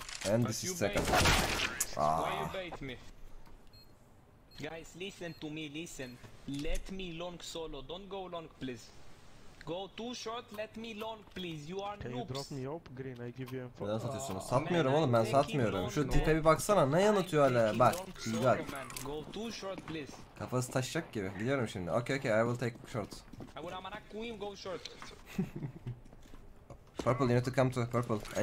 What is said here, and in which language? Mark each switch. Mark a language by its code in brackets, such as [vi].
[en] And this is second. Why you bait me? Guys, listen to me, listen. Let me long solo. Don't go long, please. Go too short, let me long, please. You are noobs. Can you drop me up green? I give you info. [tr] Neden satıyorsunuz? Satmıyorum oğlum, ben satmıyorum. Şu tipe bir baksana, ne yanıtıyor hala? Bak, güzel. [en] Go too short, please. [tr] Kafası taşacak gibi, biliyorum şimdi. [en] Okay, okay, I will take short. I will amana queen, go short. Purple, you need to come to purple.